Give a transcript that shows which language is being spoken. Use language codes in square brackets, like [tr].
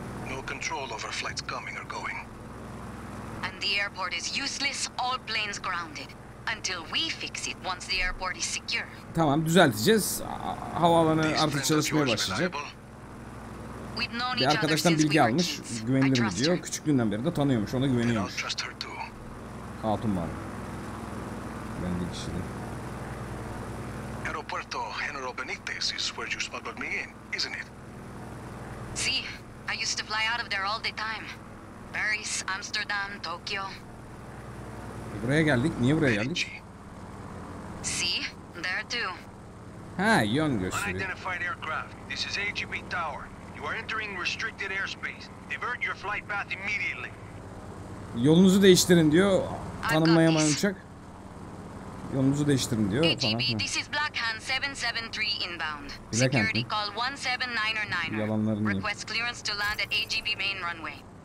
[en] No control over flights coming or going. And the airport is useless, all planes grounded. Until we fix it, once the airport is secure. [tr] Tamam, düzelteceğiz. Havaalanı artık çalışmaya başlayacak. Bir arkadaştan bilgi almış, güvenilir mi diyor. Küçüklüğünden beri de tanıyormuş, ona güveniyormuş. Hatun var. Ben de kişide. [en] Aeropuerto Genaro Benitez is where you smuggled me in, isn't it? Si, I used to fly out of there all the time. Paris, Amsterdam, Tokyo. [tr] Buraya geldik. Niye buraya geldik? [en] See? There too. [tr] Ha, yön gösteriyor. [en] Unidentified aircraft. This is AGB Tower. You are entering restricted airspace. Divert your flight path immediately. [tr] Yolunuzu değiştirin diyor. Tanımlayamayan uçak. Yolunuzu değiştirin diyor. [en] AGB, this is Black Hand 773 inbound. Security call 1799. [tr] Yalanlarını. [en] Request clearance to land at AGB main runway.